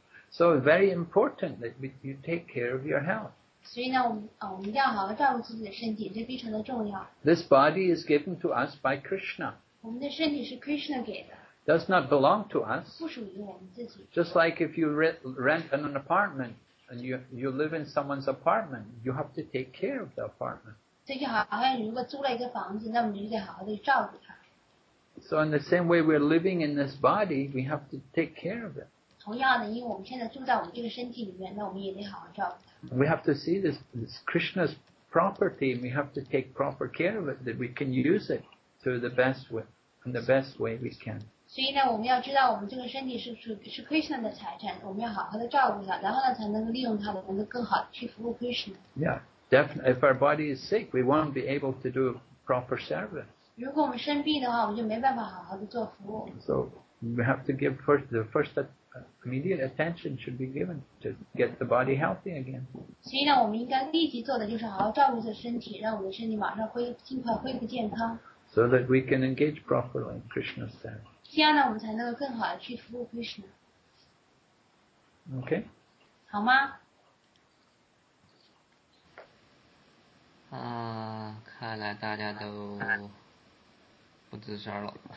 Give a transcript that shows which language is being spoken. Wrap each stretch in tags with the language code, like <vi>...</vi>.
<en>So very important that you take care of your health.</en> <zh>所以呢，我们一定要好好照顾自己的身体，这非常的重要。</zh> <en>This body is given to us by Krishna.</en> <zh>我们的身体是 Krishna 给的。</zh> <en>Does not belong to us.</en> <zh>不属于我们自己。</zh> <en>Just like if you rent an apartment and you live in someone's apartment, you have to take care of the apartment.</en> <zh>这就好像如果租了一个房子，那么你就得好好的照顾它。</zh> <en>So in the same way we're living in this body, we have to take care of it.</en> <zh>同样的，因为我们现在住在我们这个身体里面，那我们也得好好照顾它。</zh> <en>We have to see this Krishna's property, and we have to take proper care of it that we can use it to the best way, in the best way we can.</en> <zh>所以呢，我们要知道我们这个身体是 Krishna 的财产，我们要好好的照顾它，然后呢，才能够利用它，能够更好的去服务 Krishna.</zh> <en>Yeah, definitely. If our body is sick, we won't be able to do proper service.</en> <zh>如果我们生病的话，我们就没办法好好的做服务。</zh> <en>So we have to give first that. Immediate attention should be given to get the body healthy again.</en> <zh>所以呢，我们应该立即做的就是好好照顾这身体，让我们的身体马上尽快恢复健康。</zh> <en>So that we can engage properly in Krishna's service.</en> <zh>这样呢，我们才能够更好的去服务 Krishna.</zh> <en>Okay.</en> <zh>好吗？啊，看来大家都不吱声了。</zh>